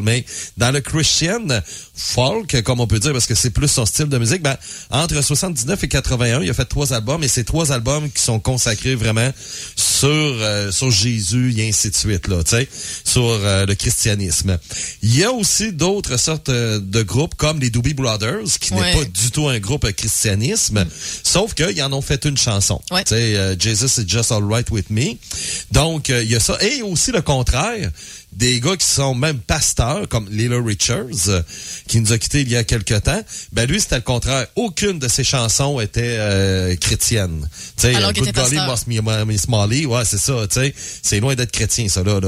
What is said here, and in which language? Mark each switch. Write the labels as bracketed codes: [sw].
[fr] Mais dans le Christian folk, comme on peut dire, parce que c'est plus son style de musique, ben, entre 79 et 81, il a fait 3 albums, et ces 3 albums qui sont consacrés vraiment sur Jésus et ainsi de suite, là, tu sais, sur le christianisme. Il y a aussi d'autres sortes de groupes comme les Doobie Brothers, qui ouais. N'est pas du tout un groupe christianisme, sauf qu'ils en ont fait une chanson. Ouais. Tu sais, [en] Jesus is just alright with me. [fr] Donc, il y a ça. Et aussi le contraire, des gars qui sont même pasteurs, comme Little Richards, qui nous a quittés il y a quelques temps, ben lui, c'était le contraire. Aucune de ses chansons était chrétienne. T'sais, alors qu'il était pasteur. Good Golly, Miss Molly, ouais, c'est ça. T'sais, c'est loin d'être chrétien, ça, là.